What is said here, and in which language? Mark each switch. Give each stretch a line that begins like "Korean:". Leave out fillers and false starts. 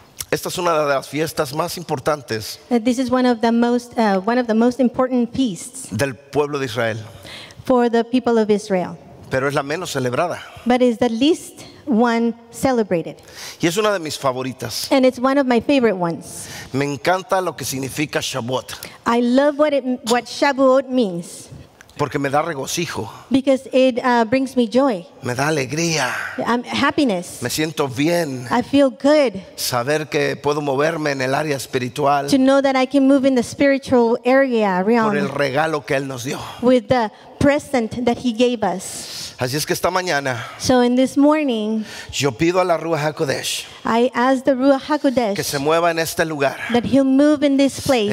Spanish: Esta es una de las fiestas más importantes.
English: This is one of the most important feasts
Spanish: del pueblo de Israel.
English: For the people of Israel.
Spanish: Pero es la menos celebrada.
English: But is the least one celebrated.
Spanish: Y es una de mis favoritas.
English: And it's one of my favorite ones.
Spanish: Me encanta lo que significa Shavuot.
English: I love what Shavuot means.
Spanish: Porque me da regocijo.
English: Because it brings me joy.
Spanish: Me da alegría.
English: Happiness.
Spanish: Me siento bien.
English: I feel good.
Spanish: Saber que puedo moverme en el área espiritual.
English: To know that I can move in the spiritual area realm.
Spanish: Por el regalo que él nos dio.
English: With the present that he gave us.
Spanish: Así es que esta mañana.
English: So in this morning.
Spanish: Yo pido a la Ruach HaKodesh.
English: I ask the Ruach HaKodesh.
Spanish: Que se mueva en este lugar.
English: That he'll move in this place.